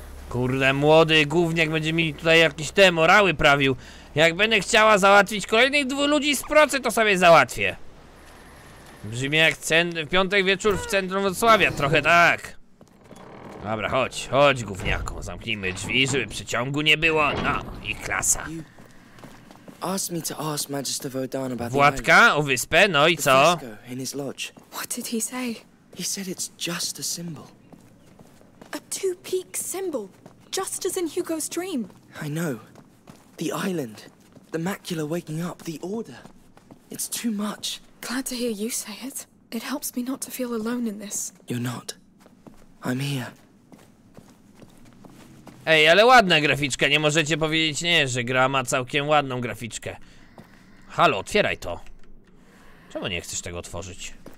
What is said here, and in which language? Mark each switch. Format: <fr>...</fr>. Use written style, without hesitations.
<pl>Kurde, młody gówniak będzie mi tutaj jakieś te morały prawił. Jak będę chciała załatwić kolejnych dwóch ludzi z procy, to sobie załatwię. Brzmi jak w piątek wieczór w centrum Wrocławia, trochę tak. Dobra, chodź, chodź gówniaku, zamknijmy drzwi, żeby przeciągu nie było. No, i klasa.</pl> <en>Asked me to ask Magister Vodan about</en> <pl>Władka, o wyspę, no i co?</pl> <en>In his lodge. What did he say? He said it's just a symbol. A two-peak symbol, just as in Hugo's dream. I know. The island, the macula waking up, the order. It's too much. Glad to hear you say it. It helps me not to feel alone in this. You're not. I'm here.</en> <pl>Ej, ale ładna graficzka, nie możecie powiedzieć nie, że gra ma całkiem ładną graficzkę. Halo, otwieraj to. Czemu nie chcesz tego otworzyć?</pl>